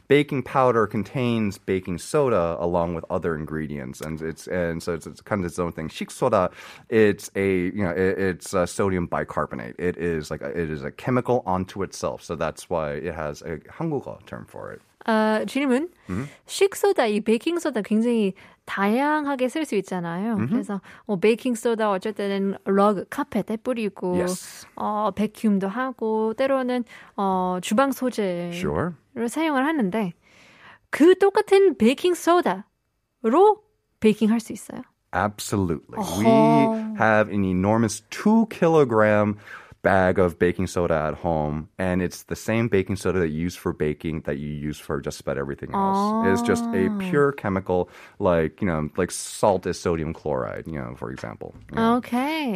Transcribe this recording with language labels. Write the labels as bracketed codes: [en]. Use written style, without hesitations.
[en] Baking powder contains baking soda along with other ingredients. And so it's kind of its own thing. 식소다, it's a sodium bicarbonate. It is a chemical onto itself. So that's why it has a 한국어 term for it. [ko] 질문. 식소다, 이 베이킹 소다 굉장히 다양하게 쓸 수 있잖아요. Mm-hmm. 그래서 뭐 베이킹 소다 어쨌든 러그 카펫에 뿌리고 베큐움도 [en] yes. [ko] 하고 때로는 주방 소재를 [en] sure. [ko] 사용을 하는데 그 똑같은 베이킹 소다로 베이킹 할 수 있어요? [en] Absolutely. Uh-huh. We have an enormous 2 kg bag of baking soda at home, and it's the same baking soda that you use for baking that you use for just about everything else. Oh. It's just a pure chemical, like, you know, like salt is sodium chloride, you know, for example. Okay.